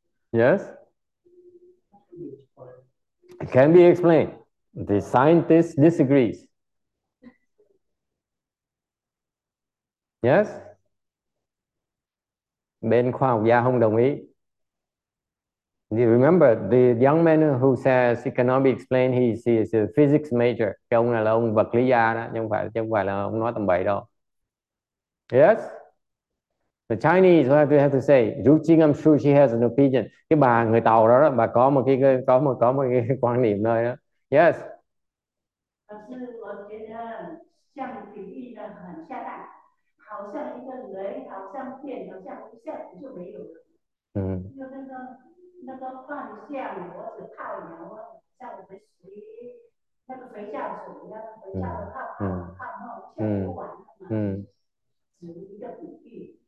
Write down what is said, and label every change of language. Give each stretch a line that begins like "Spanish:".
English: Yes. It can be explained. The scientist disagrees. Yes.
Vietnamese: Bên khoa học gia không đồng ý.
English: You remember the young man who says it cannot be explained, he is a physics major.
Vietnamese: Cái ông này là ông vật lý gia đó, chứ không phải là ông nói tầm bậy đâu.
English: Yes? The Chinese, what do you have to say? Zhu Qing, I'm sure she has an opinion.
Vietnamese: Cái bà người Tàu đó, đó bà có một cái quan niệm nơi đó. Yes? Bà sư, bà
Chinese: 像比喻的很恰当，好像一个人，好像电，好像无相，就没有了。嗯。就那个幻象或者泡影，像我们学那个佛教所一样，佛教的泡泡泡沫全部完了嘛，只一个比喻。